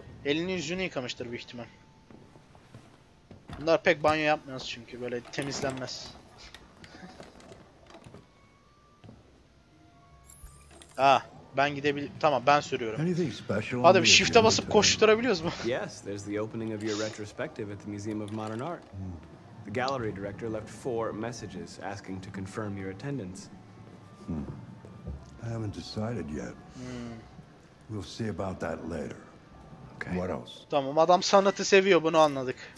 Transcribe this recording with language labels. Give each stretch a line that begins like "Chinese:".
Turkish: Elini yüzünü yıkamıştır büyük ihtimal. Bunlar pek banyo yapmaz çünkü, böyle temizlenmez. Ah, ben gidebilirim. Tamam, ben sürüyorum. Hadi bir shift'e basıp koşturabiliyoruz mu?
English: Yes, there's the opening of your retrospective at the Museum of Modern Art. The gallery director left 4 messages asking to confirm your attendance. I haven't decided yet. We'll see about that later. Okay. What else?
Turkish: Tamam, adam sanatı seviyor, bunu anladık.